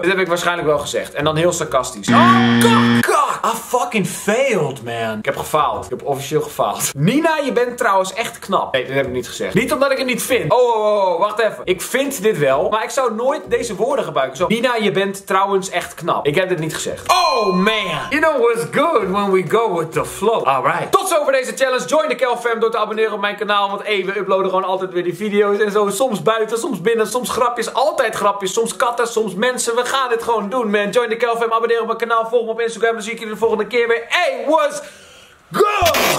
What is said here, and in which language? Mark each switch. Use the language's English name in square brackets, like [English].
[Dutch] Dit heb ik waarschijnlijk wel gezegd. En dan heel sarcastisch. Oh, kak! [English] I fucking failed, man. [Dutch] Ik heb gefaald. Ik heb officieel gefaald. Nina, je bent trouwens echt knap. Nee, dit heb ik niet gezegd. Niet omdat ik het niet vind. Oh, oh, oh, wacht even. Ik vind dit wel, maar ik zou nooit deze woorden gebruiken. Zo, Nina, je bent trouwens echt knap. Ik heb dit niet gezegd. Oh, man. [English] You know what's good when we go with the flow. [Dutch] Alright. Tot zover deze challenge. Join de Kelfam door te abonneren op mijn kanaal. Want hey, we uploaden gewoon altijd weer die video's en zo. Soms buiten, soms binnen, soms grapjes. Altijd grapjes. Soms katten, soms mensen. We gaan dit gewoon doen, man. Join de Kelfam, abonneer op mijn kanaal. Volg me op Instagram. Dan zie ik jullie de volgende keer weer. [English] Hey, what's good?